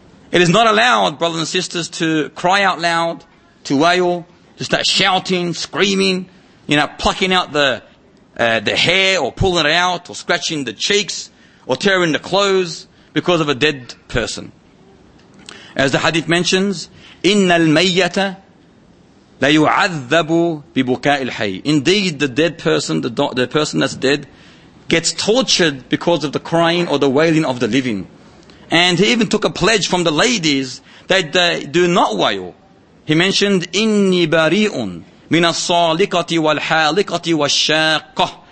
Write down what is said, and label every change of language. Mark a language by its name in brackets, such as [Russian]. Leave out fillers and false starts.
[English] It is not allowed, brothers and sisters, to cry out loud, to wail, to start shouting, screaming, you know, plucking out the hair or pulling it out or scratching the cheeks or tearing the clothes because of a dead person. As the hadith mentions, [Arabic] إِنَّ الْمَيَّةَ لَيُعَذَّبُ بِبُكَاءِ الْحَيِّ. [English] Indeed, the dead person, the person that's dead, gets tortured because of the crying or the wailing of the living. And he even took a pledge from the ladies that they do not wail. He mentioned, [Arabic] "Inni bari'un min as-saliqati wal-haliqati wash-shaqah."